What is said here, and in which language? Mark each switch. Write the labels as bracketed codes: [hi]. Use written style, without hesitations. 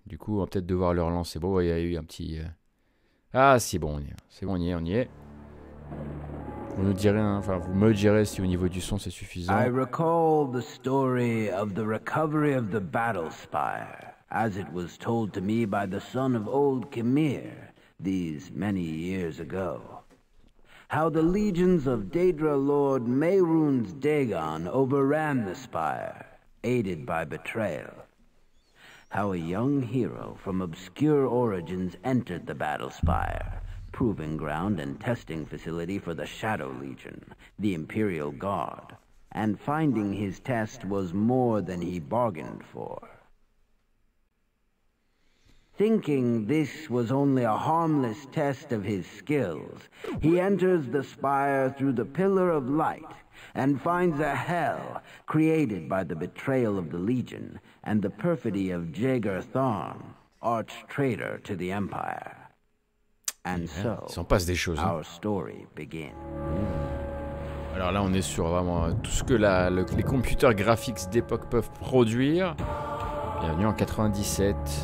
[fr] Du coup, on va peut-être devoir le relancer. Bon, il y a eu un petit... Ah, c'est bon, on y est, on y est. Vous nous direz, hein, enfin, vous me direz si au niveau du son, c'est suffisant. [en] I recall the story of the recovery of the battle spire, as it was told to me by the son of old Khemir, these many years ago. How the legions of Daedra Lord Mehrunes Dagon overran the spire, aided by betrayal. How a young hero from obscure origins entered the battle spire, proving ground and testing facility for the Shadow Legion, the Imperial Guard, and finding his test was more than he bargained for. Thinking this was only a harmless test of his skills, he enters the spire through the Pillar of Light and finds a hell created by the betrayal of the Legion and the perfidy of Jaeger Tharn, arch-traitor to the Empire. And so, [fr] ça en passe des choses, [en] our story begins. [fr] Alors là, on est sur vraiment tout ce que les computers graphiques d'époque peuvent produire. Bienvenue en 97.